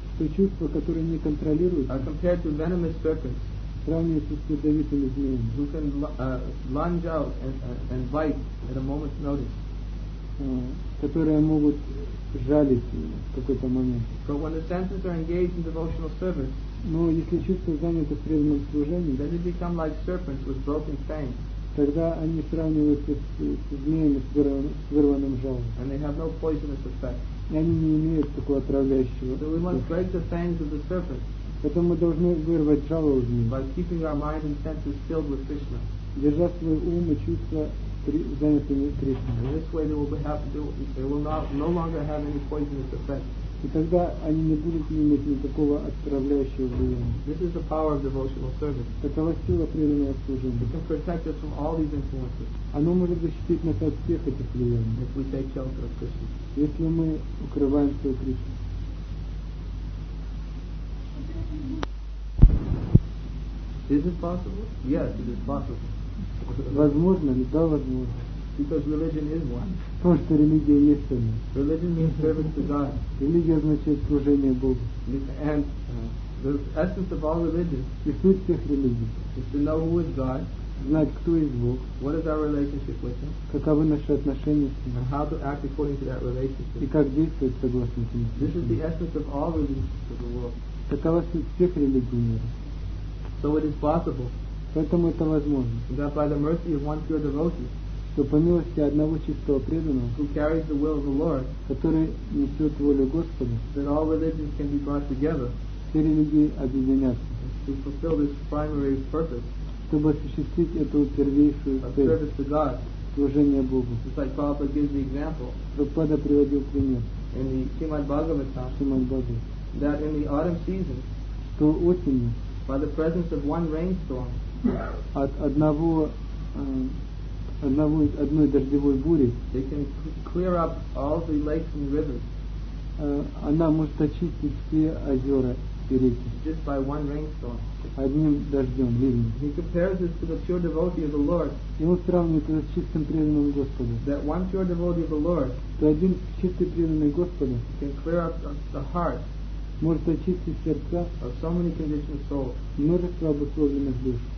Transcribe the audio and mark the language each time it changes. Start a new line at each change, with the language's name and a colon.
Russian: То чувства, которые не контролируют.
English: Are compared to venomous serpents.
Russian: Сравнивается с ядовитыми змеями.
English: Who can lunge out and bite at a moment's notice.
Russian: Которые могут жалить в какой-то момент.
English: But when the senses are engaged in devotional service,
Russian: но если чувства заняты в преданном служении,
English: then they become like serpents with broken fangs.
Russian: Тогда они сравниваются с змеями с вырванным жалом.
English: And they have no poisonous effect.
Russian: И они не имеют такого отравляющего.
English: So we must break the fangs of the serpent.
Russian: Поэтому мы должны вырвать жало у змеи.
English: By keeping our mind and senses filled with Krishna.
Russian: Держа свой ум и чувства занятыми Кришной.
English: In this way they will not no longer have any poisonous effect.
Russian: И тогда они не будут иметь никакого отравляющего влияния.
English: This is the power of devotional service.
Russian: Такова сила преданного служения.
English: It can protect us from all these influences.
Russian: Оно может защитить нас от всех этих влияний.
English: If we take shelter of Krishna.
Russian: Если мы укрываемся у Кришны.
English: Is it possible? Yes, it is possible.
Russian: Возможно ли? Да, возможно.
English: Because religion is one.
Russian: Потому что религия есть одна.
English: Religion means service to God.
Russian: Религия означает служение Богу.
English: And the essence of all religions.
Russian: И суть всех религий.
English: Is to know who is God.
Russian: Знать, кто есть Бог.
English: What is our relationship with Him?
Russian: Каковы наши отношения с Ним?
English: And how to act according to that relationship.
Russian: И как действовать согласно этим.
English: This is the essence of all religions of the world.
Russian: Такова суть всех религий мира.
English: So it is possible.
Russian: Поэтому это возможно.
English: That by the mercy of one pure devotee.
Russian: Что по милости одного чистого преданного,
English: who carries the will of the Lord,
Russian: который несет волю Господа,
English: that all religions can be brought together,
Russian: все религии объединятся,
English: to fulfill this primary purpose,
Russian: чтобы осуществить эту первейшую цель,
English: of service to God,
Russian: служение Богу.
English: Just like Prabhupada gives the example,
Russian: Прабхупада приводил пример,
English: in the Srimad-Bhagavatam,
Russian: Srimad-Bhagavatam,
English: that in the autumn season,
Russian: что осенью,
English: by the presence of one rainstorm,
Russian: от одного одной дождевой бури,
English: they can clear up all the lakes and rivers.
Russian: Она может очистить все озера и реки.
English: Just by one rainstorm.
Russian: Одним дождем, ливнем.
English: He compares this to the pure devotee of the Lord.
Russian: И он сравнивает это с чистым преданным Господом.
English: That one pure devotee of the Lord.
Russian: То один чистый преданный Господа.
English: Can clear up the heart.
Russian: Может очистить сердца.
English: Of so many conditioned souls.
Russian: Множество обусловленных душ.